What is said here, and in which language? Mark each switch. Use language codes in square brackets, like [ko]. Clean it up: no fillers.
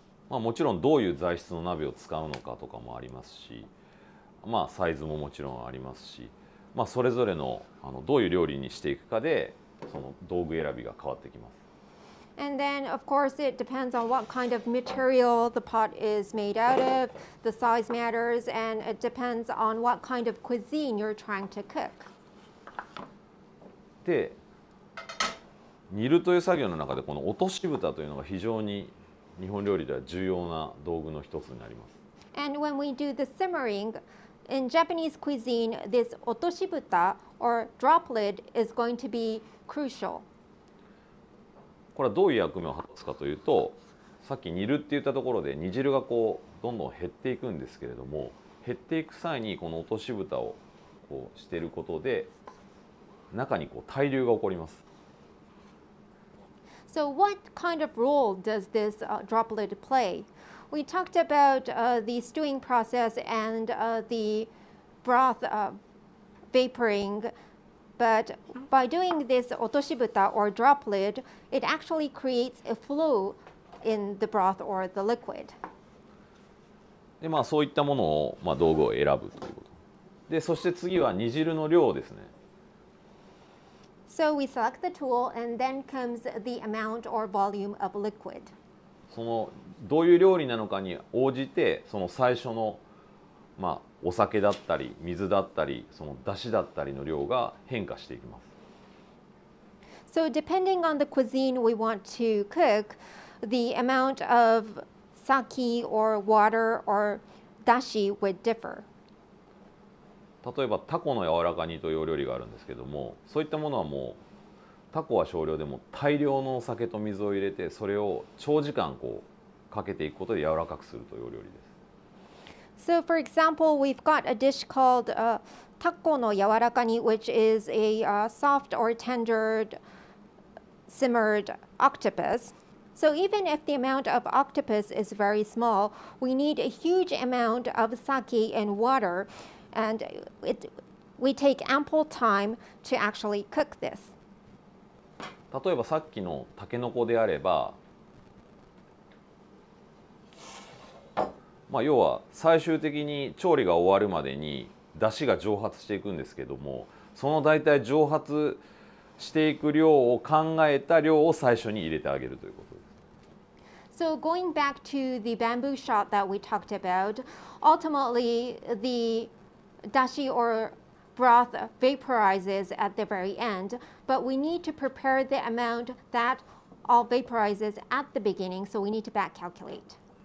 [ja] まあもちろんどういう材質の鍋を使うのかとかもありますし、まあサイズももちろんありますし、まあそれぞれのどういう料理にしていくかでその道具選びが変わってきます。 [en] And then, of course, it depends on what kind of material the pot is made out of, the size matters, and it depends on what kind of cuisine you're trying to cook. [ja] で、煮るという作業の中で、この落とし蓋というのが非常に日本料理では重要な道具の一つになります。 [en] And when we do the simmering, in Japanese cuisine, this 落とし蓋, or drop lid, is going to be crucial. [ja] これはどういう役目を果たすかというと、さっき煮るって言ったところで煮汁がこうどんどん減っていくんですけれども、減っていく際にこの落とし蓋をこうしていることで中にこう対流が起こります。 [en] So what kind of role does this droplet play? We talked about the stewing process and the broth vaporing, but by doing this otoshibuta or droplet, it actually creates a flow in the broth or the liquid. [ja] で、まあ、そういったものを、まあ、道具を選ぶということ。で、そして次は煮汁の量ですね。 [en] So we select the tool and then comes the amount or volume of liquid. [ja] そのどういう料理なのかに応じてその最初の、まあ、お酒だったり水だったりその出汁だったりの量が変化していきます。 [en] So depending on the cuisine we want to cook, the amount of sake or water or dashi would differ. [ja] 例えばタコの柔らか煮というお料理があるんですけども、そういったものはもうタコは少量でも大量のお酒と水を入れてそれを長時間こうかけていくことで柔らかくするというお料理です。 [en] So for example, we've got a dish called taco の柔らか煮 which is a soft or tendered simmered octopus. So even if the amount of octopus is very small, we need a huge amount of sake and water, and we take ample time to actually cook this. [ja] 例えばさっきのタケノコであれば、まあ要は最終的に調理が終わるまでに出汁が蒸発していくんですけども、その大体蒸発していく量を考えた量を最初に入れてあげるということ。 [en] So going back to the bamboo shot that we talked about, ultimately the dashi or broth vaporizes at the very end, but we need to prepare the amount that all vaporizes at the beginning, so we need to back calculate.